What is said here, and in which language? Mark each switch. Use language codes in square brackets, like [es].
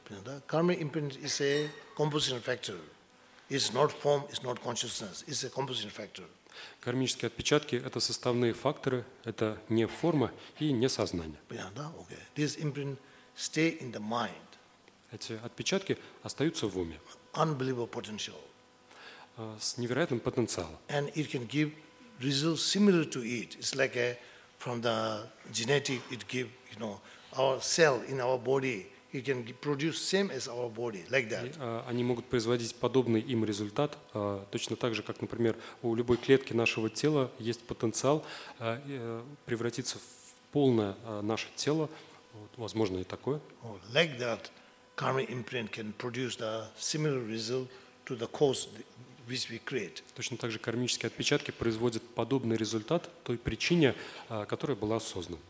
[ru] Понятно? [en] Karmic imprint is a compositional factor. It's not form, it's not consciousness. It's a compositional factor. [ru] Кармические отпечатки – это составные факторы, это не форма и не сознание. Понятно? [en] Okay. This imprint stay in the mind. [ru] Эти отпечатки остаются в уме. [en] Unbelievable potential. [ru] С невероятным потенциалом. [en] And it can give results similar to it. It's like a, from the genetic, it give, you know, our cell in our body. It can produce same as our body, like that. [ru] Они могут производить подобный им результат, точно так же, как, например, у любой клетки нашего тела есть потенциал превратиться в полное наше тело. Вот, возможно, и такое. [en] Oh, like that, karmic imprint can produce the similar result to the cause which we create. [ru] Точно так же кармические отпечатки производят подобный результат той причине, которая была создана.